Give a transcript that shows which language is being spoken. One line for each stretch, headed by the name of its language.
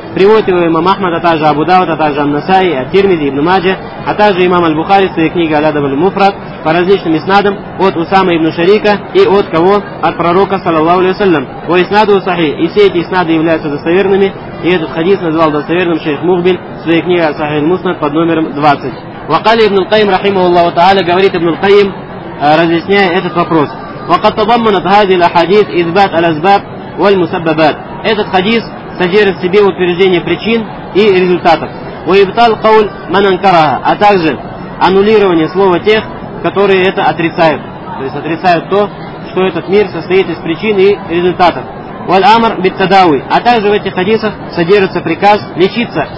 Russian: Приводит его имам Ахмад, а также Абу Дауд, а также Ан-Насаи, Ат-Тирмизи, Ибн Маджа, а также имам Аль-Бухари в своей книге «Аль-Адаб аль-Муфрад» по различным иснадам от Усама ибн Шарика и от кого? От пророка, саллаллаху алейхи ва саллям.
Arabic: Во иснаду сахих,
Russian: и все эти иснады являются достоверными. И этот хадис назвал достоверным шейх Мухбин в своей книге «Сахих аль-Муснад» под номером 20.
Arabic: وقال ابن القيم رحمه الله تعالى
Russian: говорит
Arabic: ابن القيم
Russian: разъясняя этот вопрос.
Arabic: وقد تضمنت هذه الاحاديث اثبات الاسباب والمسببات.
Russian: Этот хадис содержит в себе утверждение причин и результатов.
Arabic: ويبطل قول من انكرها.
Russian: А также аннулирование слова тех, которые это отрицают. То есть отрицают то, что этот мир состоит из причин и результатов.
Arabic: Валь-Амар Биттадауи.
Russian: А также в этих хадисах содержится приказ лечиться.